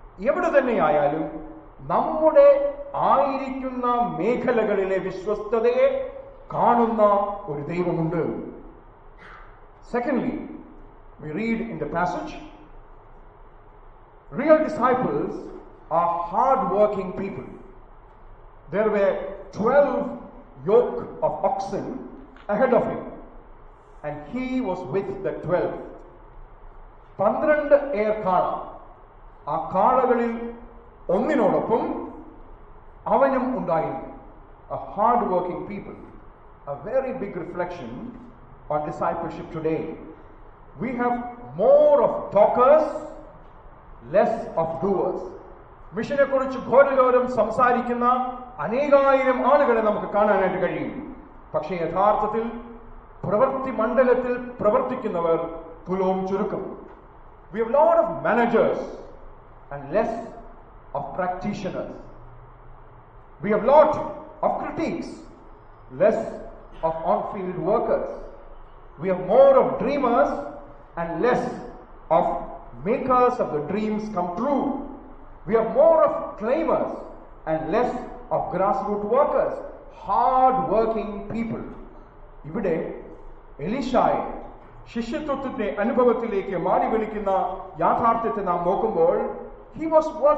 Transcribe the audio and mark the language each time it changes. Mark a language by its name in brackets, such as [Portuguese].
[Malayalam] എവിടെ തന്നെ ആയാലും നമ്മുടെ ആയിരിക്കുന്ന മേഖലകളിലെ വിശ്വസ്തതയെ കാണുന്ന ഒരു ദൈവമുണ്ട്. [English] Secondly, we read in the passage, real disciples are hard working people. There were 12 yoke of oxen ahead of him, and he was with the 12. [Malayalam] 12 ഏർ കാള, ആ കാളകളിൽ ഒന്നിനോടൊപ്പം അവനും ഉണ്ടായിരുന്നു. [English] A hard working people. A very big reflection on discipleship today. We have more of talkers, less of doers. [Malayalam] മിഷനെ കുറിച്ച് ഘോരഗൗരം സംസാരിക്കുന്ന അനേകായിരം ആളുകളെ നമുക്ക് കാണാനായിട്ട് കഴിയും. പക്ഷേ യഥാർത്ഥത്തിൽ പ്രവൃത്തി മണ്ഡലത്തിൽ പ്രവർത്തിക്കുന്നവർ തുലോം ചുരുക്കം. [English] We have lot of managers and less of practitioners. We have lot of critics, less of on-field workers. We have more of dreamers and less of makers of the dreams come true. We have more of claimers and less of grassroots workers, hard-working people. [Malayalam] ഇവിടെ എലീഷായെ ശിഷ്യത്വത്തിന്റെ അനുഭവത്തിലേക്ക് മാറി വിളിക്കുന്ന യാഥാർത്ഥ്യത്തെ നാം നോക്കുമ്പോൾ [English] he was